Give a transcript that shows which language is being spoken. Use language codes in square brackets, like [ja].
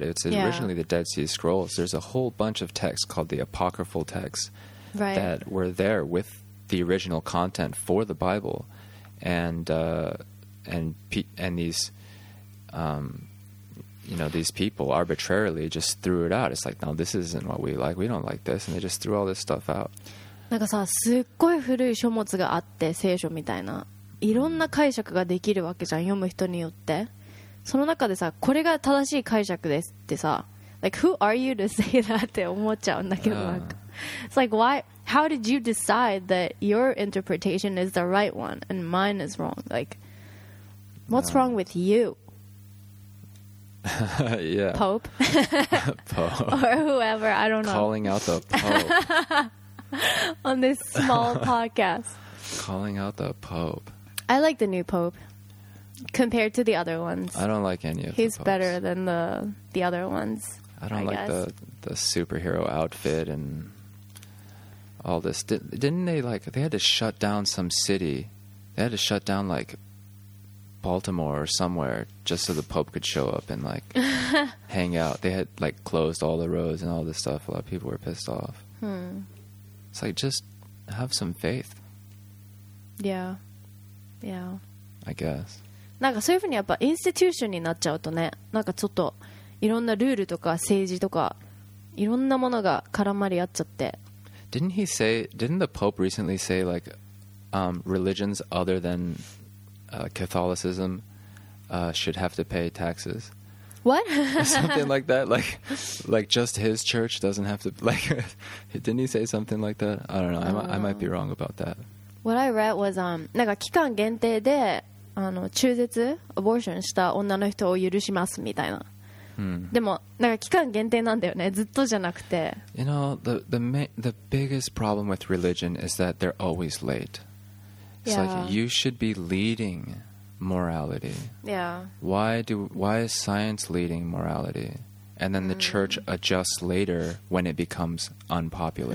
[en] It's originally the Dead Sea Scrolls. There's a whole bunch of texts called the apocryphal texts that were there with the original content for the Bible, and these you know, these people arbitrarily just threw it out. It's like, no, this isn't what we like. We don't like this. And they just threw all this stuff out. [ja] なんかさ、すっごい古い書物があって、聖書みたいな。いろんな解釈ができるわけじゃん、読む人によって。その中でさ、これが正しい解釈ですってさ、 [en] like, who are you to say that? [ja] って思っちゃうんだけど、なんか。 [en] It's like, why? How did you decide that your interpretation is the right one and mine is wrong? Like, what's wrong with you? yeah. Pope? Pope. Or whoever, I don't know. Calling out the Pope. On this small podcast. Calling out the Pope. I like the new Pope compared to the other ones. I don't like any of them. He's the better than the other ones. I don't I like guess. The superhero outfit and all this. Didn't they like, they had to shut down some city? They had to shut down like. Baltimore or somewhere just so the Pope could show up and like hang out. They had like closed all the roads and all this stuff. A lot of people were pissed off. It's like just have some faith. Yeah. I guess. [ja] なんかそういうふうにやっぱインスティテューションになっちゃうとね、なんかちょっといろんなルールとか政治とかいろんなものが絡まり合っちゃって。 [en] Didn't the Pope recently say like religions other than Catholicism should have to pay taxes. What? Something like that. Like just his church doesn't have to. Like, didn't he say something like that? I don't know. I might be wrong about that. What I read was, [ja] なんか期間限定で、あの、中絶、アボーションした女の人を許しますみたいな。でも、なんか期間限定なんだよね。ずっとじゃなくて。 [en] You know, the biggest problem with religion is that they're always late. It's like you should be leading morality. Yeah. Why is science leading morality? And then the church adjusts later when it becomes unpopular.